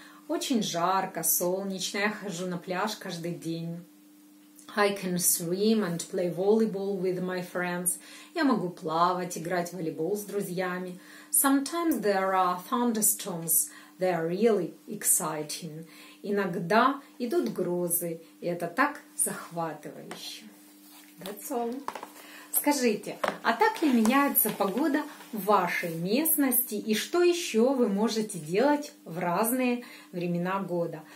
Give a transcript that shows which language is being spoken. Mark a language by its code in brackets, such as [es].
[ru] Очень жарко, солнечно, я хожу на пляж каждый день. [en] I can swim and play volleyball with my friends. [ru] Я могу плавать, играть в волейбол с друзьями. [en] Sometimes there are thunderstorms. They are really exciting. [ru] Иногда идут грозы, и это так захватывающе. [en] That's all. [ru] Скажите, а так ли меняется погода в вашей местности, и что еще вы можете делать в разные времена года?